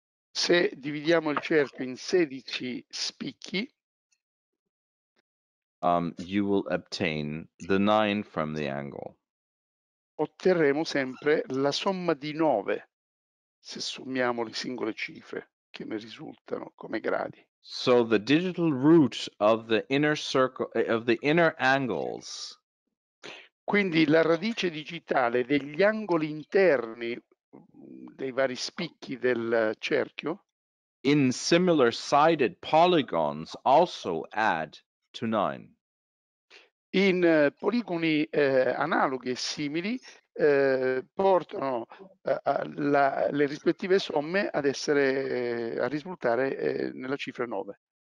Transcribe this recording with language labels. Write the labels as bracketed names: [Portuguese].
[Italian] se dividiamo il cerchio in 16 spicchi, [English] you will obtain the 9 from the angle. [Italian] Otterremo sempre la somma di 9 se sommiamo le singole cifre che ne risultano come gradi. [English] So the digital root of the inner circle, of the inner angles. [Italian] Quindi la radice digitale degli angoli interni dei vari spicchi del cerchio, [English] in similar sided polygons, also add to 9. [Italian] In poligoni analoghi e simili portano le rispettive somme ad essere a risultare nella cifra 9.